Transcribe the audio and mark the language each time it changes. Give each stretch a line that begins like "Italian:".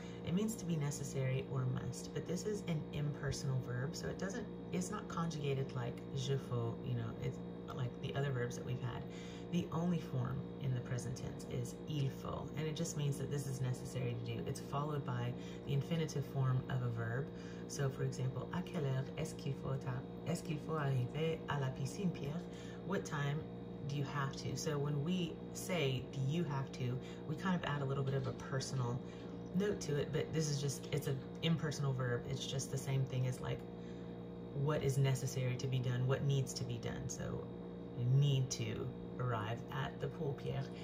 English: It means to be necessary or must, but this is an impersonal verb, so it doesn't, it's not conjugated like
French: je faut,
English: you know, it's like the other verbs that we've had. The only form in the present tense is
French: il faut,
English: and it just means that this is necessary to do. It's followed by the infinitive form of a verb. So, for example,
French: à quelle heure est-ce qu'il faut arriver à la piscine, Pierre?
English: What time do you have to? So when we say, do you have to, we kind of add a little bit of a personal note to it, but this is just, it's an impersonal verb. It's just the same thing as like, what is necessary to be done, what needs to be done. So you need to arrive at the pool, Pierre.